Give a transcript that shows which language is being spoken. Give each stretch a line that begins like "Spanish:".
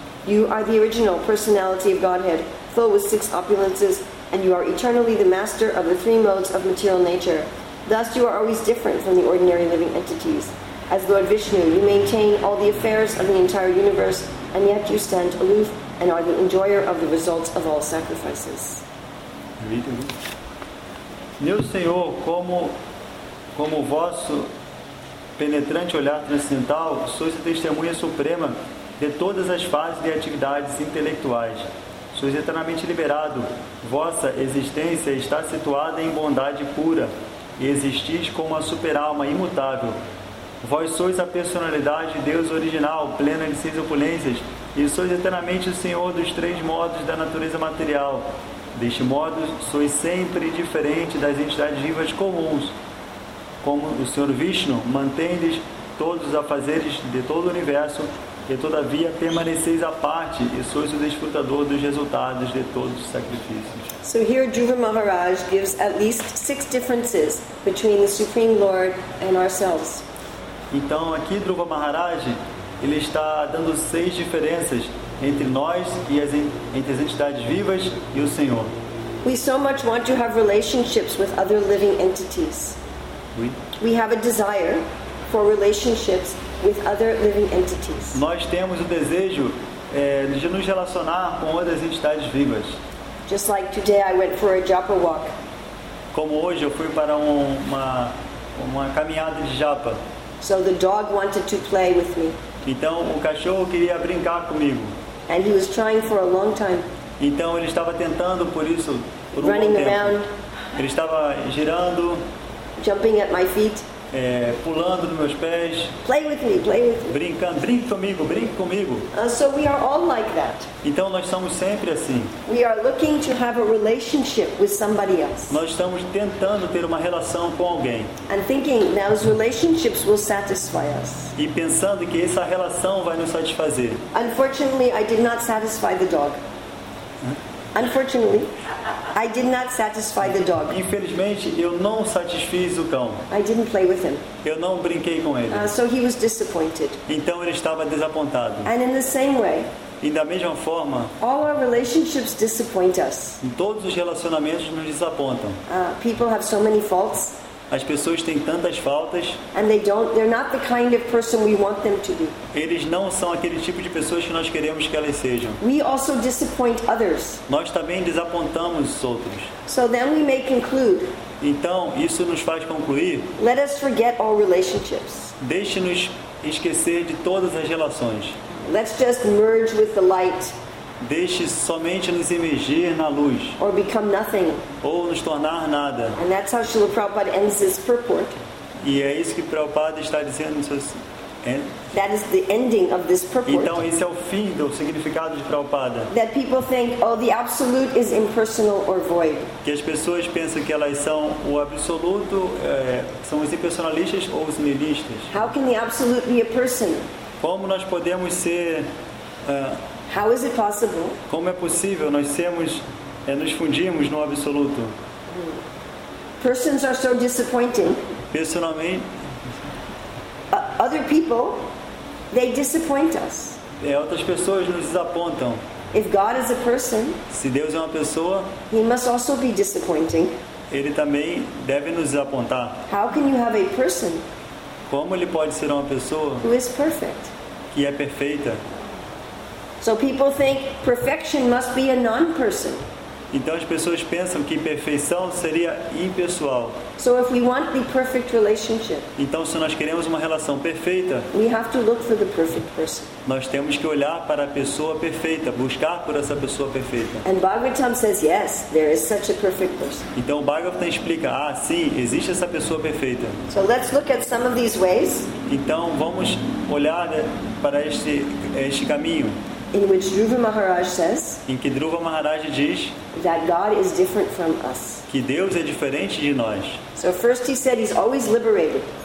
English: You are the original personality of Godhead, full with six opulences, and you are eternally the master of the three modes of material nature. Thus, you are always different from the ordinary living entities. As Lord Vishnu, you maintain all the affairs of the entire universe, and yet you stand aloof and are the enjoyer of the results of all sacrifices.
Portuguese: Meu Senhor, como o vosso penetrante olhar transcendental, sois a testemunha suprema de todas as fases de atividades intelectuais. Sois eternamente liberado. Vossa existência está situada em bondade pura e existis como a superalma imutável. Vós sois a personalidade de Deus original, plena de seis opulências, e sois eternamente o Senhor dos três modos da natureza material. Deste modo, sois sempre diferente das entidades vivas comuns. Como o Senhor Vishnu, mantendes todos os afazeres de todo o universo, e todavia permaneceis à parte e sois o desfrutador dos resultados de todos os sacrifícios.
English: So here Dhruva Maharaj gives at least six differences between the Supreme Lord and ourselves.
Portuguese: Então aqui Dhruva Maharaj, ele está dando seis diferenças entre nós e entre as entidades vivas e o Senhor.
English: We so much want to have relationships with other living entities.
French: Oui.
English: We have a desire for relationships with other living entities.
Portuguese: Nós temos o desejo de nos relacionar com outras entidades vivas.
English: Just like today I went for a japa walk.
Portuguese: Como hoje eu fui para uma caminhada de japa.
English: So the dog wanted to play with me.
Portuguese: Então o cachorro queria brincar comigo.
English: And he was trying for a long time.
Portuguese: Então ele estava tentando por isso por um
English: running
Portuguese: bom tempo.
English: Around,
Portuguese: ele estava girando.
English: Jumping at my feet.
Portuguese: Pulando nos meus pés.
English: Play with me, play with me.
Portuguese: Brincando, brinque comigo, brinque comigo.
English: So we are all like that.
Portuguese: Então nós somos sempre assim.
English: We are looking to have a relationship with somebody else.
Portuguese: Nós estamos tentando ter uma relação com alguém.
English: And thinking those relationships will satisfy us.
Portuguese: E pensando que essa relação vai nos satisfazer.
English: Unfortunately, I did not satisfy the dog. Unfortunately, I did not satisfy the dog.
Portuguese: Infelizmente, eu não satisfiz o cão.
English: I didn't play with him.
Portuguese: Eu não brinquei com ele.
English: So he was disappointed.
Portuguese: Então ele estava desapontado.
English: And in the same way,
Portuguese: e da mesma forma,
English: all our relationships disappoint us.
Portuguese: Todos os relacionamentos nos desapontam.
English: People have so many faults.
Portuguese: As pessoas têm tantas faltas.
English: And they're not the kind of person we want them to be.
Portuguese: Eles não são aquele tipo de pessoas que nós queremos que elas sejam.
English: We also disappoint others.
Portuguese: Nós também desapontamos os outros.
English: So then we may conclude.
Portuguese: Então, isso nos faz concluir.
English: Let us forget all relationships.
Portuguese: Deixe-nos esquecer de todas as relações.
English: Let's just merge with the light.
Portuguese: Deixe somente nos emergir na luz.
English: Or become nothing.
Portuguese: Ou nos tornar nada.
English: And that's how Srila Prabhupada ends his purport.
Portuguese: E é isso que Prabhupada está dizendo.
English: That is the ending of this purport.
Portuguese: Então esse é o fim do significado de Prabhupada.
English: That people think, oh, the absolute is impersonal or void.
Portuguese: Que as pessoas pensam que elas são o absoluto, são os impersonalistas ou os nihilistas.
English: How can the absolute be a person?
Portuguese: Como nós podemos ser...
English: How is it possible?
Portuguese: Como é possível nós sermos, nos fundirmos no absoluto?
English: Persons are so disappointing.
Portuguese: Personalmente,
English: other people, they disappoint us.
Portuguese: Outras pessoas nos desapontam.
English: If God is a person,
Portuguese: se Deus é uma pessoa,
English: he must also be disappointing.
Portuguese: Ele também deve nos desapontar.
English: How can you have a person?
Portuguese: Como ele pode ser uma pessoa?
English: Who is perfect?
Portuguese: Que é perfeita.
English: So people think perfection must be a non-person.
Portuguese: Então as pessoas pensam que perfeição seria impessoal.
English: So if we want the perfect relationship,
Portuguese: então se nós queremos uma relação perfeita,
English: we have to look for the perfect person.
Portuguese: Nós temos que olhar para a pessoa perfeita, buscar por essa pessoa perfeita.
English: And Bhagavatam says, yes, there is such a perfect person.
Portuguese: Então o Bhagavatam explica, ah, sim, existe essa pessoa perfeita.
English: So let's look at some of these ways.
Portuguese: Então vamos olhar, né, para este caminho.
English: In which Dhruva Maharaj says,
Portuguese: em que Dhruva Maharaj diz,
English: that God is different from us.
Portuguese: Que Deus é diferente de nós.
English: So first he said he's always liberated.